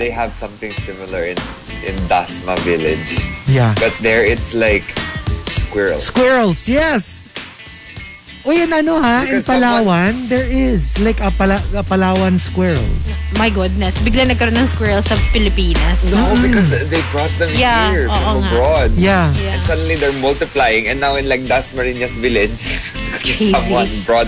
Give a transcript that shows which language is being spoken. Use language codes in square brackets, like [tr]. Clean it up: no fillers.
[en] they have something similar in Dasma Village. Yeah. But there, it's like squirrels. Squirrels, yes. [tl] Uy, yan ano ha? [en] Because in Palawan, there is like a Palawan squirrel. My goodness. [tl] Bigla nagkaroon ng squirrels sa Pilipinas. [en] No, because they brought them yeah. here oh, from oh, abroad. Yeah. yeah. And suddenly they're multiplying and now in like Dasmariñas Village, someone brought